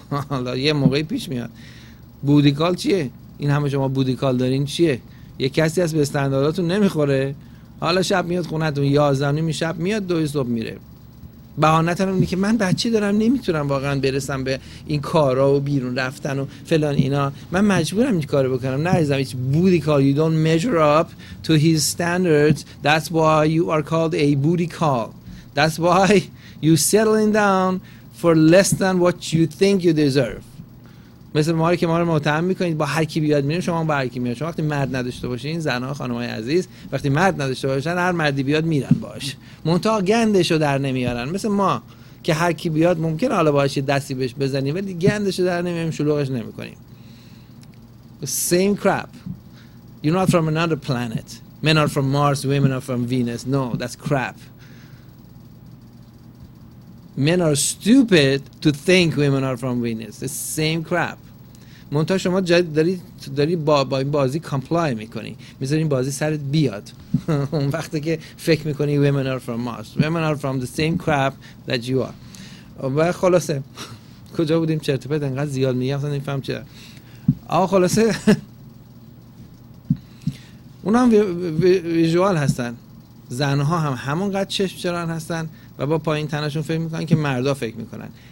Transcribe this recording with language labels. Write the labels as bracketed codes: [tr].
[fa] حالا یه موقعی پیش میاد. بودیکال چیه؟ این همه شما بودیکال دارین چیه؟ یه کسی هست به استانداراتون نمیخوره، حالا شب میاد خونتون، یازده نیم شب میاد، دوی صبح میره. بهانه‌ت هم اینه که من بچه دارم، نمیتونم واقعا برسم به این کارا و بیرون رفتن و فلان اینا، من مجبورم این کارو بکنم. نه عزیزم، هیچ بودی کال، [en] you don't measure up to his standards, that's why you are called a booty call, that's why you settling down for less than what you think you deserve. [fa] مثل ما رو که ما رو متهم میکنید با هر کی بیاد میرین، شما با هر کی میاد، شما وقتی مرد نداشته باشین، زنها خانمای عزیز وقتی مرد نداشته باشن، هر مردی بیاد میرن باش، منتها گندشو در نمیارن. مثل ما که هر کی بیاد ممکن حالا باهاش دستی بهش بزنیم، ولی گندشو در نمیاریم، شلوغش نمیکنیم. [en] Same crap. You're not from another planet. Men are from Mars, women are from Venus. No, that's crap. Men are stupid to think women are from Venus. The same crap. [fa] منتها شما داری با این بازی کامپلای میکنی، میذاری این بازی سرت بیاد اون وقته که فکر میکنی [en] women are from Mars. Women are from the same crap that you are. [fa] و خلاصه کجا بودیم؟ چرت و پرت انقدر زیاد میگم اصلا نمیفهم چرا. آقا خلاصه اونا هم ویژوال هستن، زنها هم همونقدر چشم چرن هستن و با پایین تنشون فکر میکنن که مردا فکر میکنن.